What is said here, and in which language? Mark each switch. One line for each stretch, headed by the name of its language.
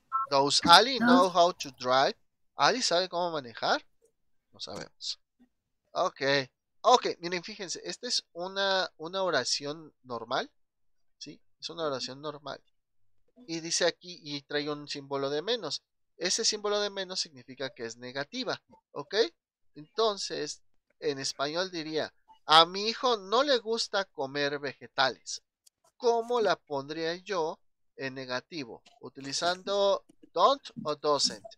English: Does Ali know how to drive?
Spanish: ¿Ali sabe cómo manejar? No sabemos. Ok, miren, fíjense, esta es una oración normal. ¿Sí? Es una oración normal. Y dice aquí, y trae un símbolo de menos. Ese símbolo de menos significa que es negativa. ¿Ok? Entonces, en español diría, a mi hijo no le gusta comer vegetales. ¿Cómo la pondría yo en negativo? Utilizando
English: don't o doesn't.